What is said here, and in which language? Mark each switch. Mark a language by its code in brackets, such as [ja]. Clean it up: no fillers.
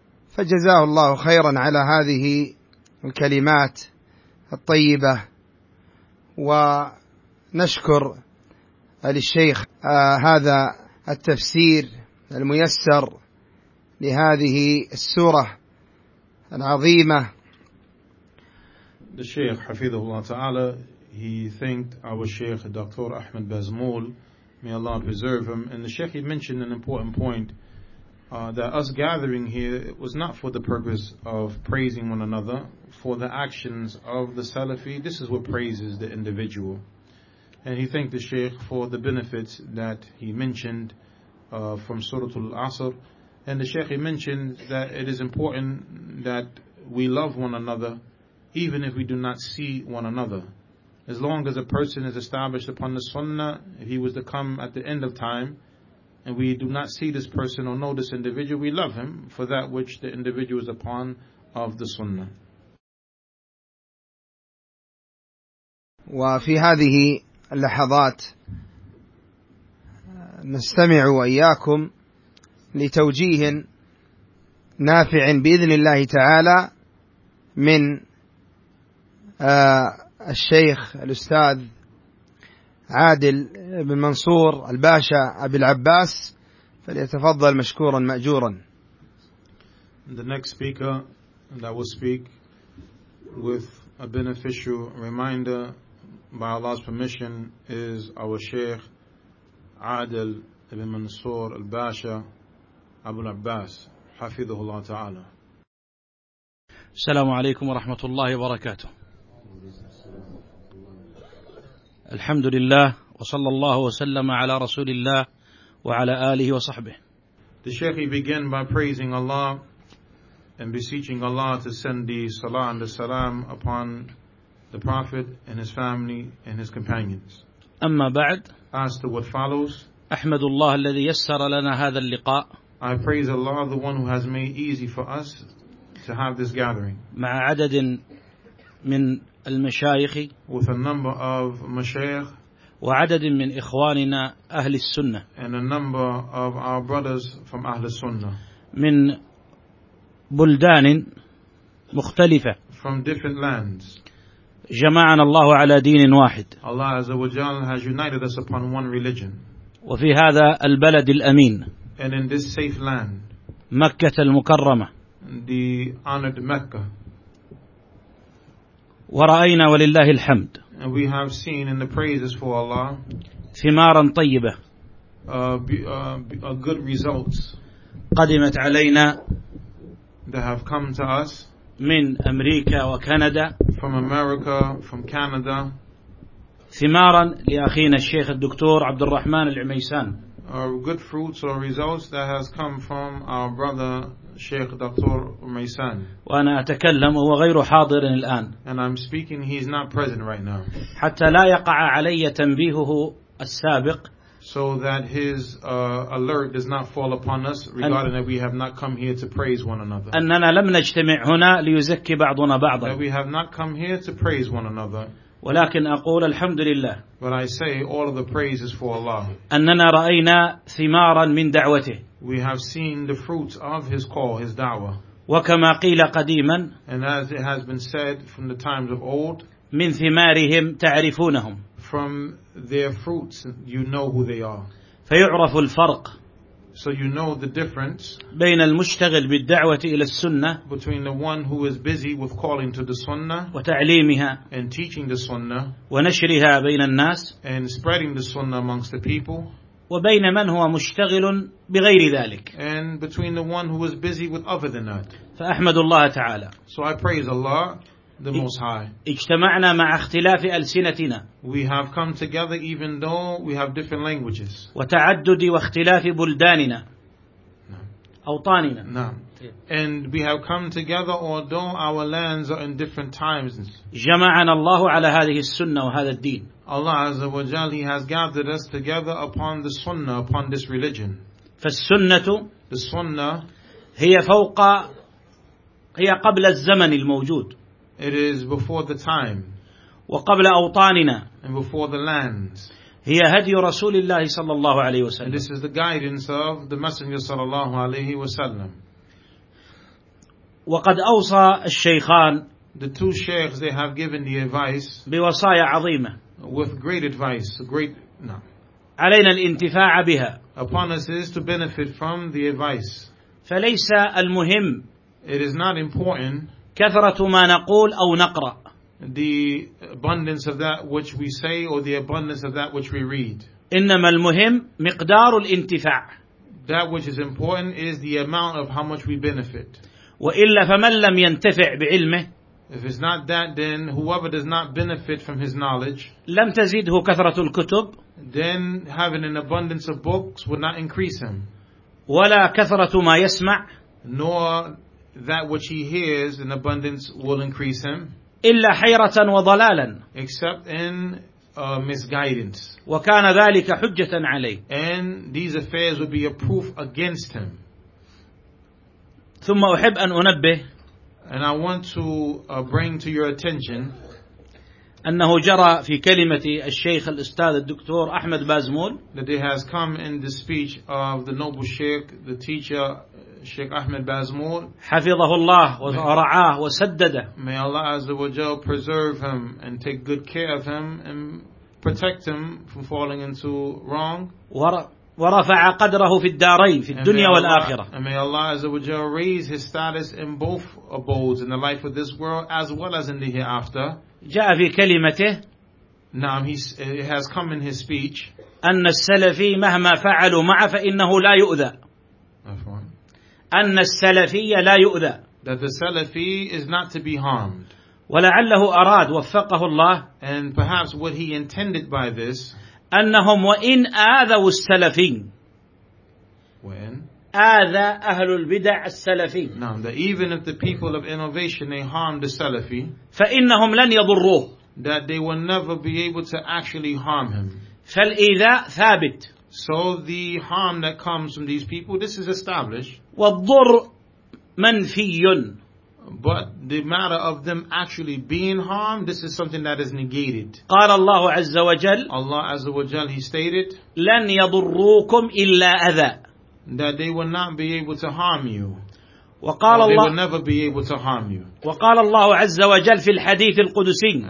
[ar] فجزاه الله خيرا على هذه الكلمات الطيبة، ونشكر للشيخ هذا التفسير الميسر لهذه السورة العظيمة. الشيخ حفظه الله تعالى [en] he thanked our Sheikh Dr. Ahmed Bazmul, may Allah preserve him, and the Sheikh he mentioned an important point. That us gathering here it was not for the purpose of praising one another for the actions of the Salafi. This is what praises the individual. And he thanked the Shaykh for the benefits that he mentioned from Surah Al-Asr. And the Shaykh he mentioned that it is important that we love one another even if we do not see one another. As long as a person is established upon the Sunnah, if he was to come at the end of time, and we do not see this person or know this individual, we love him for that which the individual is upon of the sunnah. [ar] وفي هذه اللحظات نستمع وإياكم لتوجيه نافع بإذن الله تعالى من الشيخ الأستاذ عادل بن منصور الباشا أبي العباس، فليتفضل مشكورا مأجورا. [en] The next speaker that will speak with a beneficial reminder by Allah's permission is our Sheikh Adil ibn Mansur al-Basha Abu al-Abbas [ar] حفظه الله تعالى. السلام عليكم ورحمة الله وبركاته. الحمد لله وصلى الله وسلم على رسول الله وعلى آله وصحبه. [en] The Sheikh, he began by praising Allah and beseeching Allah to send the salah and the salam upon the Prophet and his family and his companions. [ar] أما بعد, [en] as to what follows, [ar] أحمد الله الذي يسر لنا هذا اللقاء. [en] I praise Allah, the one who has made easy for us to have this gathering. [ar] مع عدد من المشايخ, [en] with a number of مشايخ, [ar] وعدد من إخواننا أهل السنة, [en] and a number of our brothers from أهل السنة, [ar] من بلدان مختلفة, [en] from different lands. [ar] جمعنا الله على دين واحد. [en] Allah Azza wa Jalla has united us upon one religion. [ar] وفي هذا البلد الأمين, [en] and in this safe land, [ar] مكة المكرمة, [en] the honored Mecca. [ar] ورأينا ولله الحمد, [en] and we have seen in the praises for Allah, [ar] ثمارا طيبة, [en] good results, [ar] قدمت علينا, [en] that have come to us, [ar] من أمريكا وكندا, [en] from America, from Canada, [ar] ثمارا لأخينا الشيخ الدكتور عبد الرحمن العميسان, [en] good fruits or results that has come from our brother Sheikh Dr. Umaysan. [ar] وأنا أتكلم وهو غير حاضر الآن, [en] and I'm speaking, he's not present right now, [ar] حتى لا يقع علي تنبيهه السابق, [en] so that his alert does not fall upon us regarding that we have not come here to praise one another, [ar] أننا لم نجتمع هنا ليزكي بعضنا بعضا, [en] that we have not come here to praise one another, [ar] ولكن أقول الحمد لله, [en] but I say all of the praises for Allah, [ar] أننا رأينا ثمارا من دعوته, [en] we have seen the fruits of his call, his da'wah, [ar] وكما قيل قديما, [en] and as it has been said from the times of old, [ar] من ثمارهم تعرفونهم, [en] from their fruits you know who they are, [ar] فيعرف الفرق, [en] so you know the difference, [ar] بين المشتغل بالدعوة إلى السنة, [en] between the one who is busy with calling to the sunnah, [ar] وتعليمها, [en] and teaching the sunnah, [ar] ونشرها بين الناس, [en] and spreading the sunnah amongst the people, [ar] وبين من هو مشتغل بغير ذلك, [en] and between the one who is busy with other than that. [ar] فأحمد الله تعالى, [en] so I praise Allah, the Most High. [ar] اجتمعنا مع اختلاف ألسنتنا, [en] we have come together even though we have different languages, [ar] وتعدد واختلاف بلداننا, أوطاننا, [en] and we have come together although our lands are in different times. [ar] جمعنا الله على هذه السنة وهذا الدين. [en] Allah Azza wa Jalla, he has gathered us together upon the sunnah, upon this religion. [ar] فالسنة, [en] the sunnah, [ar] هي فوق, هي قبل الزمن الموجود, [en] it is before the time, [ar] وقبل أوطاننا, [en] and before the lands, [ar] هي هدي رسول الله صلى الله عليه وسلم, [en] and this is the guidance of the Messenger [ar] صلى الله عليه وسلم. وقد أوصى الشيخان, [en] the two sheikhs, they have given the advice, [ar] بوصايا عظيمة, [en] with great advice, great, no, [ar] علينا الانتفاع بها, [en] upon us is to benefit from the advice. [ar] فليس المهم, [en] it is not important, [ar] كثرة ما نقول أو نقرأ, [en] the abundance of that which we say or the abundance of that which we read, [ar] إنما المهم مقدار الانتفاع, [en] that which is important is the amount of how much we benefit. [ar] وإلا فمن لم ينتفع بعلمه, [en] if it's not that, then whoever does not benefit from his knowledge, [ar] لم تزيده كثرة الكتب, [en] then having an abundance of books would not increase him, [ar] ولا كثرة ما يسمع, [en] nor that which he hears in abundance will increase him, [ar] إلا حيرة وضلالا, [en] except in misguidance, [ar] وكان ذلك حجة عليه, [en] and these affairs would be a proof against him. [ar] ثم أحب أن أنبه, [en] and I want to bring to your attention, [ar] أنه جرى في كلمة الشيخ الأستاذ الدكتور أحمد بازمول. [en] That it has come in the speech of the noble Sheikh, the teacher Sheikh Ahmed Bazmul. [ar] حفظه الله ورعاه وسدده. [en] May Allah Azza wa Jal preserve him and take good care of him and protect him from falling into wrong. [ar] ورفع قدره في الدارين في الدنيا والآخرة. [en] And may Allah Azza wa Jal raise his status in both abodes, in the life of this world as well as in the hereafter. [ar] جاء في كلمته. [en] نعم, it has come in his speech. [ar] أن السلفي مهما فعلوا معه فإنه لا يؤذى. أن السلفي لا يؤذى. [en] That the Salafi is not to be harmed. [ar] ولعله أراد وفقه الله. [en] And perhaps what he intended by this. [ar] أنهم وإن آذوا السلفي. [en] When? [ar] آذى أهل البدع السلفي. [en] Now that even if the people of innovation they harm the Salafi. [ar] فإنهم لن يضروه. [en] That they will never be able to actually harm him. [ar] فالإذاء ثابت. [en] So the harm that comes from these people, this is established. [ar] والضر منفي. [en] But the matter of them actually being harmed, this is something that is negated. [ar] قال الله عز وجل. [en] Allah Azza wa Jal, he stated. [ar] لن يضروكم إلا أذى. [en] That they will not be able to harm you. [ar] وقال الله. [en] They will never be able to harm you. [ar] وقال الله عز وجل في الحديث القدسي.